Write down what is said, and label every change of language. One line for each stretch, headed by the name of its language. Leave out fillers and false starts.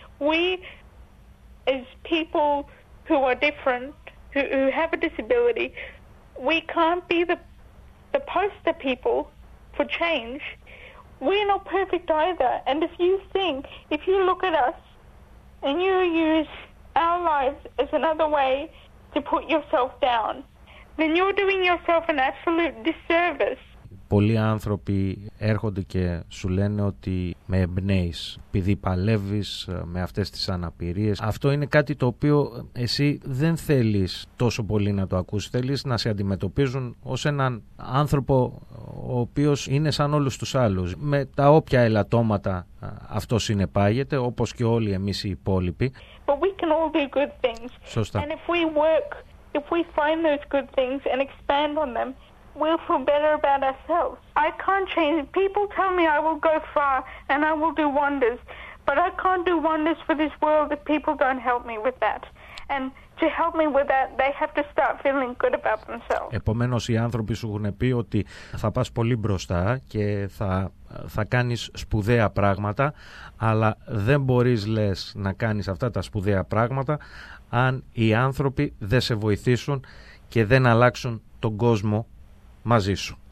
English: We, as people who are different, who have a disability, we can't be the poster people for change. We're not perfect either. And if you think, if you look at us and you use our lives as another way to put yourself down, then you're doing yourself an absolute disservice.
Greek: Πολλοί άνθρωποι έρχονται και σου λένε ότι με εμπνέεις, επειδή παλεύεις με αυτές τις αναπηρίες. Αυτό είναι κάτι το οποίο εσύ δεν θέλεις τόσο πολύ να το ακούσεις. Θέλεις να σε αντιμετωπίζουν ως έναν άνθρωπο ο οποίος είναι σαν όλους τους άλλους. Με τα όποια ελαττώματα αυτό συνεπάγεται, όπως και όλοι εμείς οι υπόλοιποι.
English: But we can all do good things.
Greek: Σωστά.
English: And if we work, if we find those good things and expand on them, we'll feel better about ourselves. I can't change. People tell me I will go far and I will do wonders, but I can't do wonders for this world if people don't help me with that. And to help me with that, they have to start feeling good about themselves.
Greek: Επομένως, οι άνθρωποι σου έχουν πει ότι θα πας πολύ μπροστά και θα κάνεις σπουδαία πράγματα, αλλά δεν μπορείς, λες, να κάνεις αυτά τα σπουδαία πράγματα αν οι άνθρωποι δεν σε βοηθήσουν και δεν αλλάξουν τον κόσμο μαζί σου.